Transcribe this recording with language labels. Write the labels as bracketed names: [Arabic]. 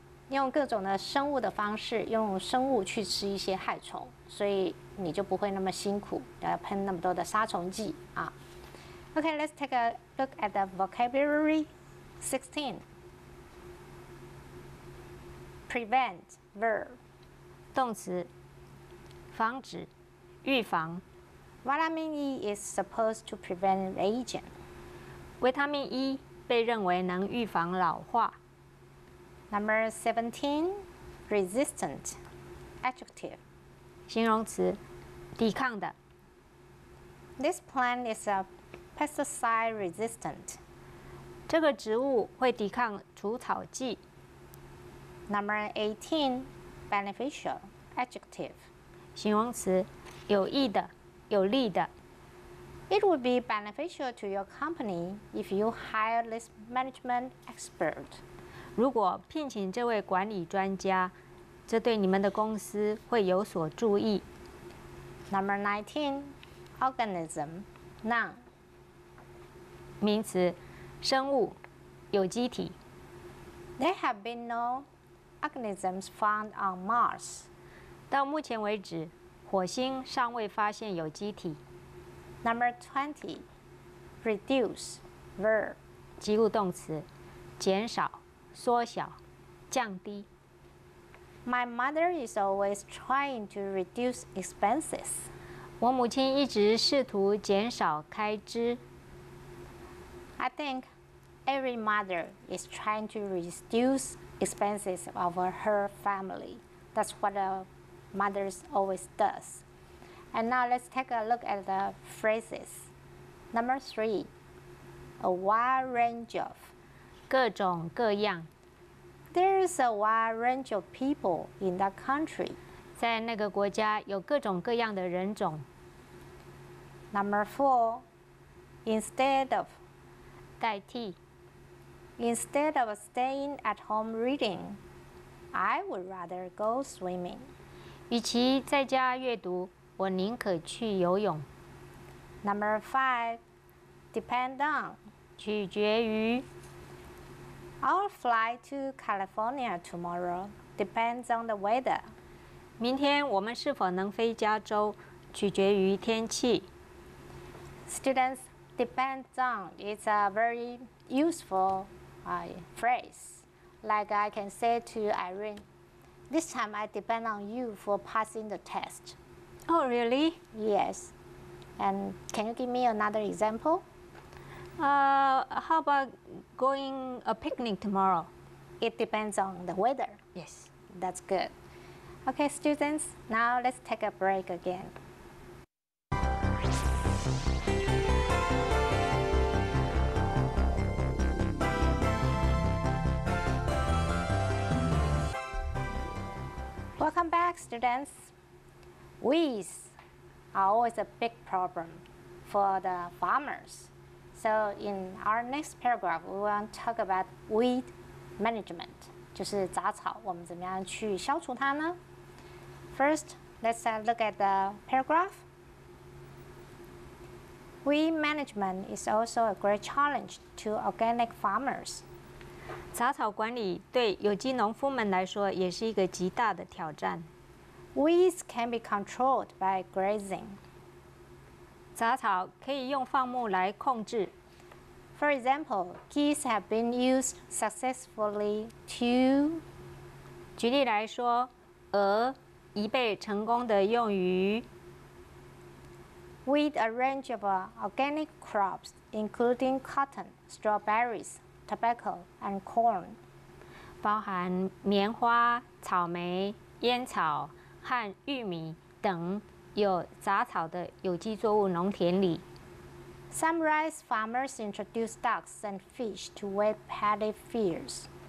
[Chinese] 用各种的生物的方式，用生物去吃一些害虫，所以你就不会那么辛苦，要喷那么多的杀虫剂啊。 [English] Okay, let's take a look at the vocabulary 16. Prevent, verb. [Chinese] 动词，防止，预防。 [English] Vitamin E is supposed to prevent aging. [Chinese] 维他命 E 被认为能预防老化。 [English] Number 17, resistant, adjective. [Chinese] 形容词，抵抗的。 [English] This plant is a pesticide resistant. [Chinese] 这个植物会抵抗除草剂。 [English] Number 18, beneficial, adjective. [Chinese] 形容词，有益的，有利的。 [English] It would be beneficial to your company if you hire this management expert. [Chinese] 如果聘请这位管理专家，这对你们的公司会有所注意。 [English] Number 19, organism, noun. [Chinese] 名词，生物，有机体。 [English] There have been no organisms found on Mars. [Chinese] 到目前为止，火星尚未发现有机体。 [English] Number 20, reduce, verb. [Chinese] 及物动词，减少。缩小，降低。 [English] My mother is always trying to reduce expenses. 我母亲一直试图减少开支。 I think every mother is trying to reduce expenses of her family. That's what a mother always does. And now let's take a look at the phrases. Number 3, a wide range of. [Chinese] 各种各样。 [English] There is a wide range of people in that country. [Chinese] 在那个国家有各种各样的人种。 [English] Number 4, instead of. [Chinese] 代替。 [English] Instead of staying at home reading, I would rather go swimming. [Chinese] 与其在家阅读，我宁可去游泳。 [English] Number 5, depend on. [Chinese] 取决于。 [English] Our flight to California tomorrow depends on the weather. [Chinese] 明天我们是否能飞加州，取决于天气。 [English] Students, depends on. It's a very useful phrase. Like I can say to Irene, this time I depend on you for passing the test. Oh, really? Yes. And can you give me another example? How about going a picnic tomorrow? It depends on the weather. Yes. That's good. Okay, students, now let's take a break again. Welcome back, students. Weeds are always a big problem for the farmers. So in our next paragraph, we want to talk about weed management. [Chinese] 就是杂草，我们怎么样去消除它呢？ [English] First, let's look at the paragraph. Weed management is also a great challenge to organic farmers. [Chinese] 杂草管理对有机农夫们来说也是一个极大的挑战。 [English] Weeds can be controlled by grazing. [Chinese] 杂草可以用放牧来控制。 [English] For example, geese have been used successfully to. [Chinese] 举例来说，鹅已被成功的用于。 [English] With a range of organic crops, including cotton, strawberries, tobacco, and corn. [Chinese] 包含棉花、草莓、烟草和玉米等。有杂草的有机作物农田里。 [English] Some rice farmers introduce ducks and fish to wet paddy fields.